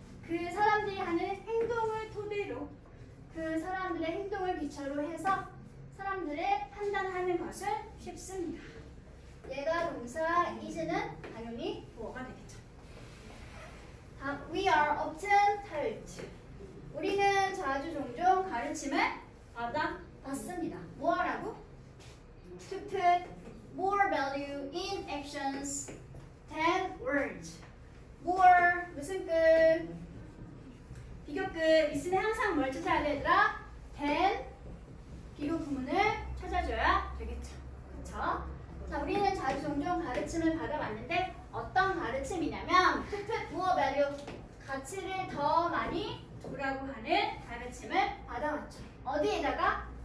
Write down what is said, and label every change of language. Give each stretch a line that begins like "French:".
Korean: 그 사람들이 하는 행동을 토대로, 그 사람들의 행동을 기초로 해서 사람들의 판단하는 것을 쉽습니다. 얘가 동사 is는 당연히 뭐가 되겠죠.
English: 다음, we are often taught.
Korean: 우리는 자주 종종 가르침을 받습니다. 뭐하라고?
English: To put more value in actions than words.
Korean: More 무슨 끝? 비교급. 있으면 항상 뭘 찾아야 되더라? than 비교 구문을 찾아줘야 되겠죠. 그쵸? 자, 우리는 자주 종종 가르침을 받아봤는데 어떤 가르침이냐면
English: to put more value
Korean: 가치를 더 많이 두라고 하는 가르침을 받아왔죠. 어디에다가?